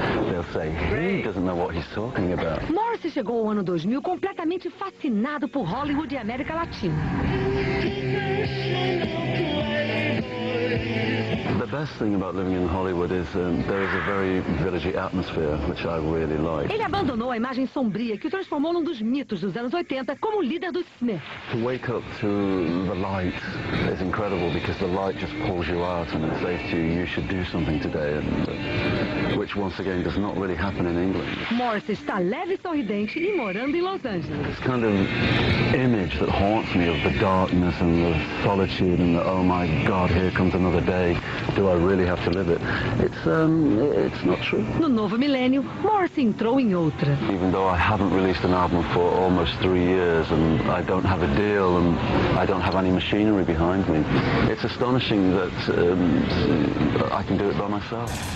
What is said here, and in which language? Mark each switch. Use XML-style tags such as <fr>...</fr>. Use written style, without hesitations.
<en>They'll say he doesn't know what he's talking about.</en> <pt>Morrissey chegou ao ano 2000 completamente fascinado por Hollywood e América Latina.</pt> <en>The best thing about living in Hollywood is there is a very villagey atmosphere, which I really like.</en> <pt>Ele abandonou a imagem sombria que o transformou num dos mitos dos anos 80 como líder do cinema.</pt> <en>To wake up to the light is incredible because the light just pulls you out and it says to you, you should do something today, which once again does not really happen in England.</en> <pt>Morris está leve e sorridente e morando em Los Angeles.</pt> <en>This kind of image that haunts me of the darkness and the solitude and the, oh my God, here comes another day. Do I really have to live it? It's not true.</en> <pt>No novo milênio, Morris entrou em outra.</pt> <en>Even though I haven't released an album for almost 3 years and I don't have a deal and I don't have any machinery behind me, it's astonishing that I can do it by myself.</en>